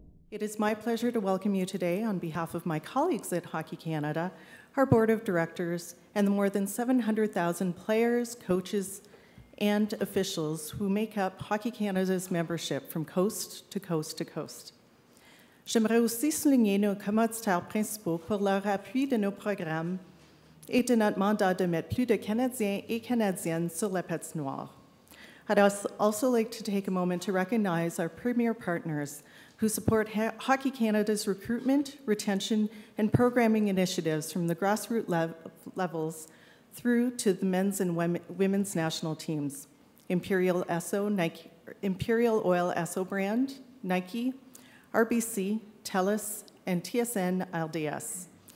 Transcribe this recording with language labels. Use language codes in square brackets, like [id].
[en] It is my pleasure to welcome you today on behalf of my colleagues at Hockey Canada, our board of directors, and the more than 700,000 players, coaches, and officials who make up Hockey Canada's membership from coast to coast to coast. [fr] J'aimerais aussi souligner nos commanditaires principaux pour leur appui de nos programmes et de notre mandat de mettre plus de Canadiens et Canadiennes sur la patte noire. [en] I'd also like to take a moment to recognize our premier partners who support Hockey Canada's recruitment, retention, and programming initiatives from the grassroots levels through to the men's and women's national teams. Imperial Esso, Nike, Imperial Oil Esso brand, Nike, RBC, TELUS, and TSN LDS.